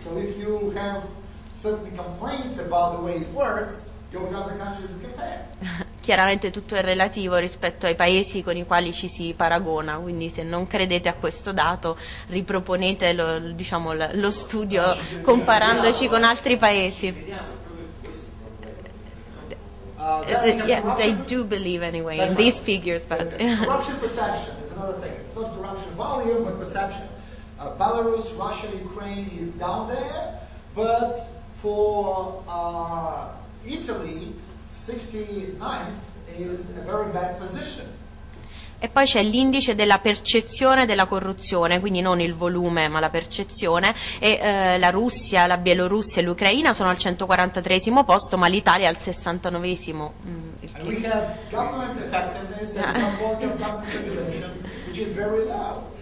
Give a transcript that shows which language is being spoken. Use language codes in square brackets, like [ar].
[en] So if you have certain complaints about the way it works, you're in other countries compare. [it] Chiaramente tutto è relativo rispetto ai paesi con i quali ci si paragona, quindi se non credete a questo dato, riproponete lo studio comparandoci con altri paesi. [en] They do believe anyway in these figures, but corruption perception is another thing. It's not corruption volume, but perception. Belarus, Russia, Ukraine is down there, but for Italy, 69th is a very bad position. [it] E poi c'è l'indice della percezione della corruzione, quindi non il volume ma la percezione, e la Russia, la Bielorussia e l'Ucraina sono al 143esimo posto, ma l'Italia al 69esimo. [en] And we have government effectiveness and the quality of government regulation, which is very low.